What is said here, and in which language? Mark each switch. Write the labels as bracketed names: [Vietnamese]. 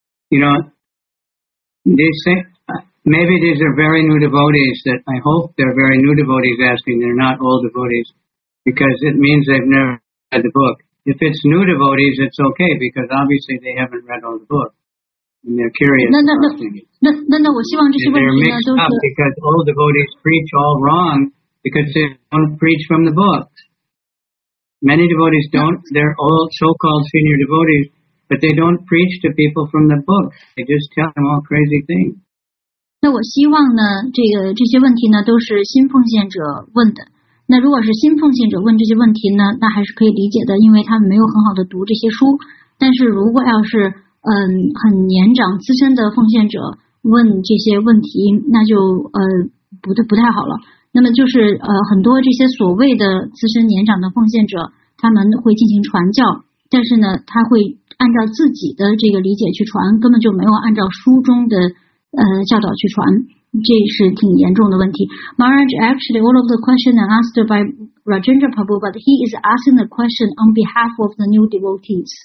[English] You know, they say. Maybe these are very new devotees that I hope they're very new devotees asking. They're not old devotees because it means they've never read the book. If it's new devotees, it's okay because obviously they haven't read all the book and they're curious. No, [Chinese] 我希望这些问题呢都是 [English] because old devotees preach all wrong because they don't preach from the book. Many devotees don't. They're all so-called senior devotees, but they don't preach to people from the book. They just tell them all crazy things. [Chinese] 那我希望呢，这些问题呢都是新奉献者问的。那如果是新奉献者问这些问题呢，那还是可以理解的，因为他们没有很好的读这些书。但是如果要是很年长资深的奉献者问这些问题，那就不太好了。那么就是很多这些所谓的资深年长的奉献者，他们会进行传教，但是呢，他会按照自己的这个理解去传，根本就没有按照书中的。教导去传，这是挺严重的问题。 [English] Maharaj, actually, all of the questions are asked by Rajendra Prabhu, but he is asking the question on behalf of the new devotees.